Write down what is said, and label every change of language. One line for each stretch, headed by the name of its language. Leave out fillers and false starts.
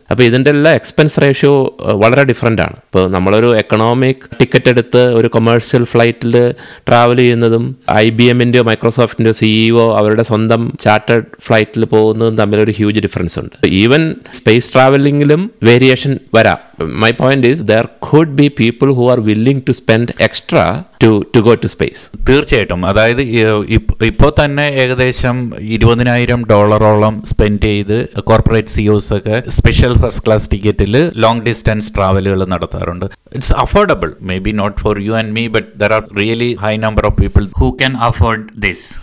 Malayalam: അപ്പൊ ഇതിന്റെ എല്ലാം എക്സ്പെൻസ് റേഷ്യോ വളരെ ഡിഫറെന്റ് ആണ്. ഇപ്പോൾ നമ്മളൊരു എക്കണോമിക് ടിക്കറ്റ് എടുത്ത് ഒരു കൊമേഴ്സ്യൽ ഫ്ലൈറ്റിൽ ട്രാവൽ ചെയ്യുന്നതും IBMന്റെയോ മൈക്രോസോഫ്റ്റിന്റെയോ CEO അവരുടെ സ്വന്തം ചാർട്ടേഡ് ഫ്ലൈറ്റിൽ പോകുന്നതും തമ്മിൽ ഒരു ഹ്യൂജ് ഡിഫറൻസ് ഉണ്ട്. ഈവൻ സ്പേസ് ട്രാവലിംഗിലും വേരിയേഷൻ വരാം.
English: My point is, there could be people who are willing to spend extra to go to space.
Malayalam: തീർച്ചയായിട്ടും. അതായത് ഇപ്പോൾ തന്നെ ഏകദേശം $20,000 സ്പെൻഡ് ചെയ്ത് കോർപ്പറേറ്റ് CEOs ഒക്കെ സ്പെഷ്യൽ ഫസ്റ്റ് ക്ലാസ് ടിക്കറ്റിൽ ലോങ് ഡിസ്റ്റൻസ് ട്രാവലുകൾ നടത്താറുണ്ട്.
English: It's affordable, may be not for you and me, but there are really high number of people who can afford this.